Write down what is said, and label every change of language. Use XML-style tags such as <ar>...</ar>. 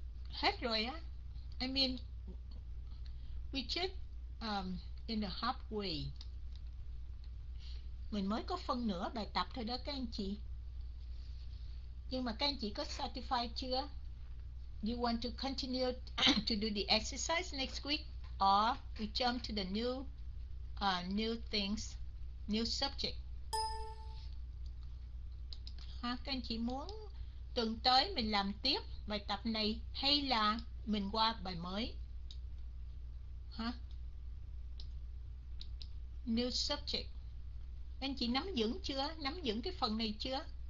<vi>Hết rồi á.</vi> <en>We just in the halfway.</en> <vi>Mình mới có phân nửa bài tập thôi đó các anh chị. Nhưng mà các anh chị có satisfy chưa?</vi> <en>You want to continue to do the exercise next week or we jump to the new new things, new subject?</en> <vi>Các anh chị muốn tuần tới mình làm tiếp bài tập này hay là mình qua bài mới? Hả?</vi> <en>New subject.</en> <vi>Anh chị nắm vững chưa? Nắm vững cái phần này chưa?</vi>